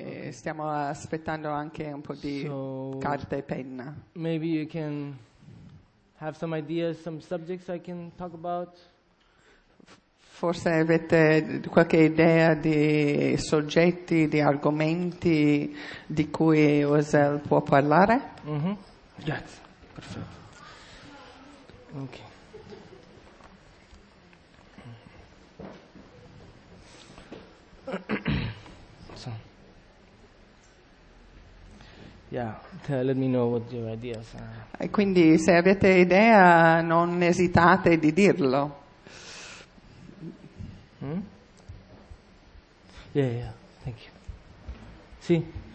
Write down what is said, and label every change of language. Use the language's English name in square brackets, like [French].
[Italian] Stiamo aspettando anche un po' di carta e penna. [English] Maybe you can have some ideas, some subjects I can talk about. [Italian] Forse avete qualche idea di soggetti, di argomenti di cui Osel può parlare? Mm-hmm. Grazie. Perfetto. Ok. [English] So. Yeah, let me know what your ideas are. [Italian] E quindi se avete idea non esitate di dirlo. [English] Yeah, thank you. [Italian] Sì.